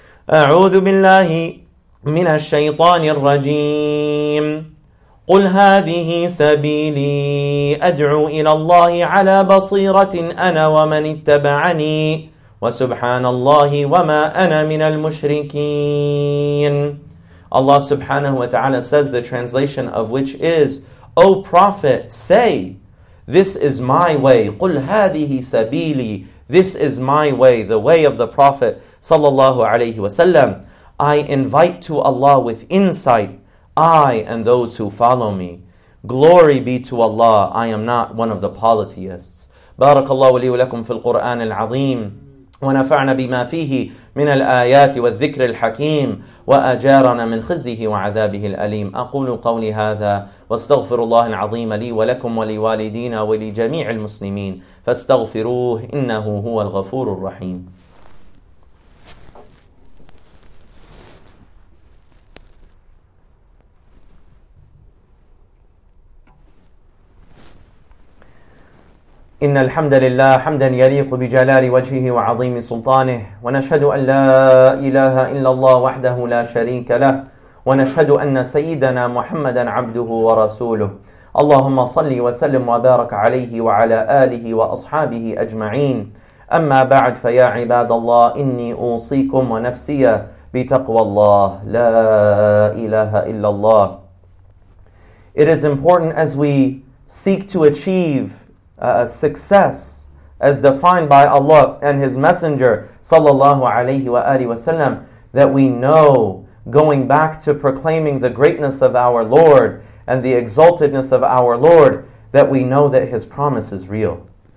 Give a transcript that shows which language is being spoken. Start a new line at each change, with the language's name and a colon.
Arabic: أعوذ بالله من الشيطان الرجيم قل هذه سبيلي أدعو إلى الله على بصيرة أنا ومن اتبعني وسبحان الله وما أنا من المشركين.
English: Allah subhanahu wa ta'ala says, the translation of which is, O Prophet, say, this is my way.
Arabic: قُلْ هَذِهِ سَبِيلِي.
English: This is my way, the way of the Prophet sallallahu alayhi wa sallam. I invite to Allah with insight, I and those who follow me. Glory be to Allah, I am not one of the polytheists.
Arabic: Barakallahu li wa lakum fil Qur'an al-Azim. ونفعنا بما فيه من الآيات والذكر الحكيم وأجارنا من خزيه وعذابه الأليم. أقول قولي هذا واستغفر الله العظيم لي ولكم ولوالدينا ولجميع المسلمين فاستغفروه إنه هو الغفور الرحيم. إن الحمد لله حمدا يليق بجلال وجهه وعظيم سلطانه ونشهد أن لا إله إلا الله وحده لا شريك له ونشهد أن سيدنا محمدا عبده ورسوله اللهم صل وسلم وبارك عليه وعلى آله وأصحابه أجمعين. أما بعد فيا عباد الله إني أوصيكم ونفسي بتقوى الله لا إله إلا الله.
English: It is important as we seek to achieve success as defined by Allah and His Messenger sallallahu alayhi wa alihi wa sallam, that we know, going back to proclaiming the greatness of our Lord and the exaltedness of our Lord, that we know that His promise is real,